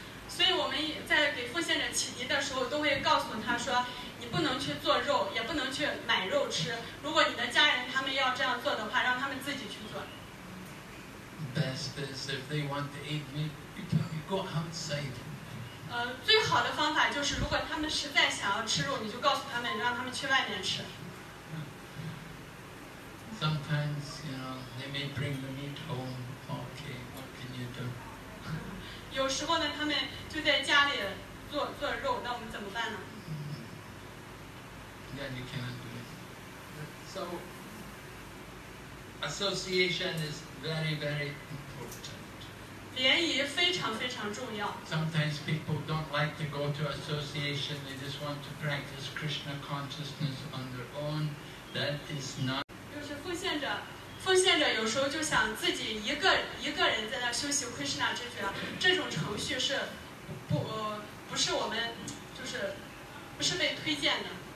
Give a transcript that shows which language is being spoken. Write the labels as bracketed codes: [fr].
[zh] 所以我们在给傅先生启迪的时候都会告诉他说，你不能去做肉，也不能去买肉吃。如果你的家人他们要这样做的话，让他们自己去做。 [en] Best is if they want to eat meat, you go outside. [zh] 最好的方法就是，如果他们实在想要吃肉，你就告诉他们，让他们去外面吃。 [en] Sometimes, you know, they may bring the meat home. Okay, what can you do? [zh] 有时候呢，他们就在家里做肉，那我们怎么办呢？ [en] Then you cannot do it. So, association is very, very important. [zh] 联谊非常非常重要。 [en] Sometimes people don't like to go to association, they just want to practice Krishna consciousness on their own. That is not. [zh] 就是奉献者有时候就想自己一个人在那修习 Krishna 这句啊，这种程序是不是我们就是不是被推荐的。